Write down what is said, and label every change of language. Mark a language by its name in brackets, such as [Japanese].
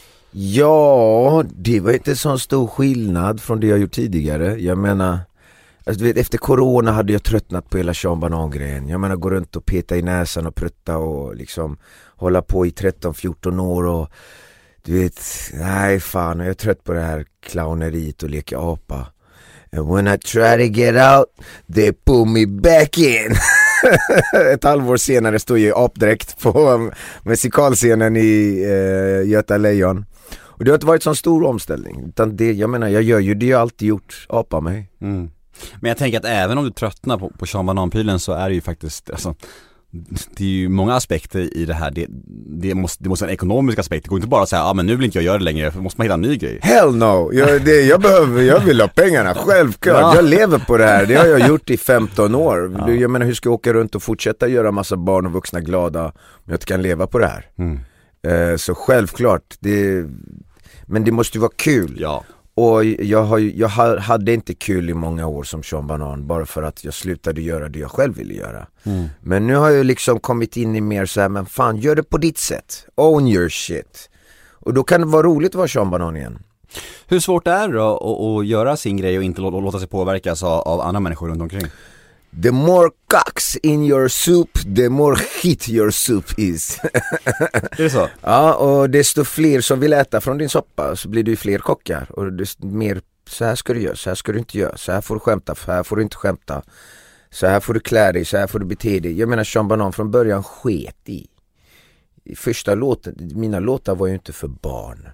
[Swedish] Ja, det var inte så stor skillnad från det jag gjort tidigare. Jag menar, alltså, du vet, efter corona hade jag tröttnat på hela Sean Banan-grejen. Jag menar, gå runt och peta i näsan och prutta och liksom hålla på i 13-14 år och du vet, nej fan, jag är trött på det här clowneriet och leka apa. [English] And when I try to get out, they pull me back in. [Swedish] Ett halvår senare står jag i apdräkt på musikalscenen i Göta Lejon. Och det har inte varit sån stor omställning. Utan det, jag menar, jag gör ju det jag alltid gjort, apa mig. Mm. Men jag tänker att även om du tröttnar på Sean Banan-pilen, så är det ju faktiskt... Alltså, det är ju många aspekter i det här. Det måste vara en ekonomisk aspekt. Det går inte bara att säga, ah, men nu vill inte jag göra det längre, för måste man hitta en ny grej. [English] Hell no, [Swedish] jag vill ha pengarna, självklart. Ja. Jag lever på det här, det har jag gjort i 15 år. Ja. Jag menar, hur ska jag åka runt och fortsätta göra massa barn och vuxna glada om jag inte kan leva på det här? Så självklart, men det måste ju vara kul. Ja. Och jag hade inte kul i många år som Sean Banan, bara för att jag slutade göra det jag själv ville göra. Men nu har jag liksom kommit in i mer så här, men fan, gör det på ditt sätt. [English] Own your shit. [Swedish] Och då kan det vara roligt att vara Sean Banan igen. Hur svårt är det då att göra sin grej och inte låta sig påverkas av andra människor runt omkring? [English] The more cocks in your soup, the more hit your soup is. [Swedish] Är det så? Ja, och desto fler som vill äta från din soppa, så blir det ju fler kockar. Och mer, så här ska du göra, så här ska du inte göra, så här får du skämta, så här får du inte skämta, så här får du klä dig, så här får du bete dig. Jag menar, Sean Banan från början sket i. Första låten, mina låtar var ju inte för barn.